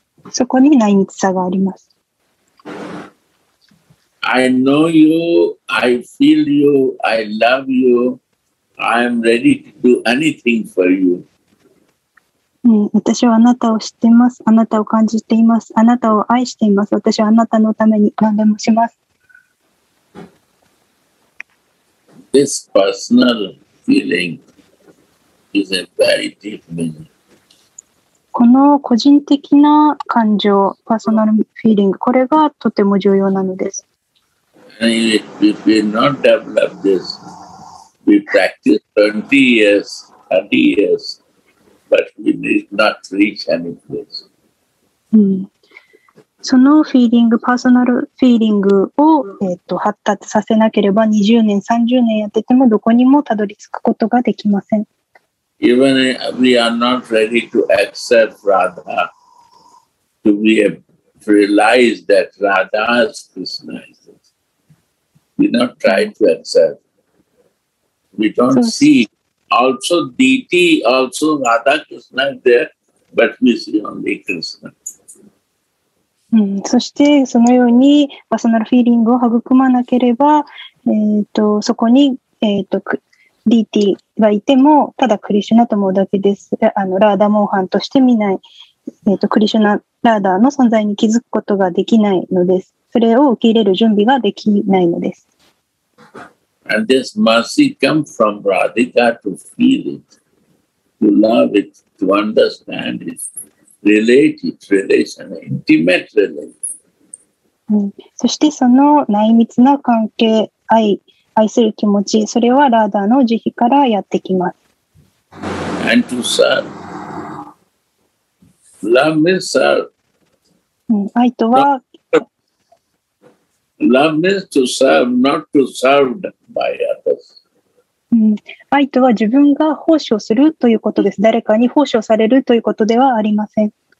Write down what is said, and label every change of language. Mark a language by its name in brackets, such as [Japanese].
[Japanese] そこに内密さがあります。 [English] I know you, I feel you, I love you, I am ready to do anything for you.、 [Japanese] 私はあなたを知っています。あなたを感じています。あなたを愛しています。私はあなたのために何でもします。 [English] This personal feeling is a very deep meaning. [Japanese] この個人的な感情、 [English] personal feeling、 [Japanese] これがとても重要なのです。 [English] And if we not develop this, we practice 20 years, 30 years, but we need not reach any place. [Japanese] そのフィーリング、パーソナルフィーリングを、発達させなければ20年、30年やっててもどこにもたどり着くことができません。 [English] Even if we are not ready to accept Radha, to realize that Radha is Krishna, we not try to accept. We don't see. Also, Diti, also Radha Krishna is there, but we see only Krishna. [Japanese] そしてそのようにパーソナルフィーリングを育まなければ、そこに、DT がいてもただクリシュナと思うだけです。ラーダモーハンとして見ない、クリシュナラーダの存在に気づくことができないのです。それを受け入れる準備ができないのです。 [English] And this mercy comes from Radhika to feel it, to love it, to understand itrelated relation, intimate relation. [Japanese] そしてその内密な関係、愛する気持ち、それはラーダの慈悲からやってきます。 [English] And to serve. Love means serve. [Japanese] 愛とは。 [English] Love means to serve, not to serve by others. [Japanese] 愛とは自分が奉仕をするということです。誰かに奉仕をされるということではありません。